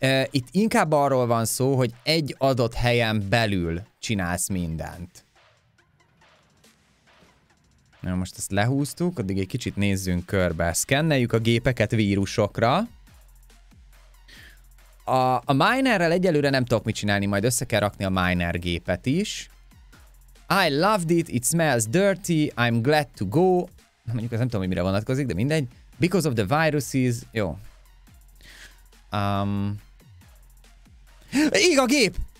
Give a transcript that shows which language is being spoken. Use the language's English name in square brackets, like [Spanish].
[Hungarian] Itt inkább arról van szó, hogy egy adott helyen belül csinálsz mindent. Most ezt lehúztuk, addig egy kicsit nézzünk körbe. Szkenneljük a gépeket vírusokra. A minerrel egyelőre nem tudok mit csinálni, majd össze kell rakni a miner gépet is. [English] I loved it, it smells dirty, I'm glad to go. [Hungarian] Mondjuk ez nem tudom, hogy mire vonatkozik, de mindegy. [English] Because of the viruses, [Hungarian] jó. Ég a gép!